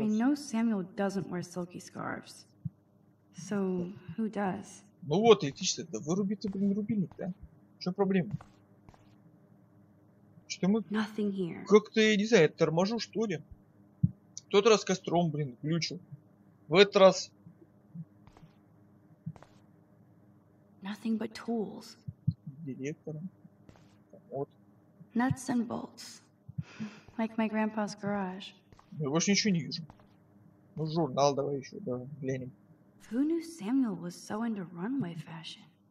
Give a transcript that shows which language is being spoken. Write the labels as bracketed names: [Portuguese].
[English] I know Samuel doesn't wear silky scarves. So, who does? [Russian] Ну вот, электричество, да выруби ты, блин, рубильник, да? Чё проблема? Что мы... [English] Nothing here. [Russian] Как-то, я не знаю, я торможу, что ли? В тот раз костром, блин, включил. В этот раз... [English] Nothing but tools. [Russian] Директором. Вот. [English] Nuts and bolts. Like my grandpa's garage. [Russian] Я больше ничего не вижу. Ну, журнал давай еще, да, глянем. [English] Who knew Samuel was so into runway fashion?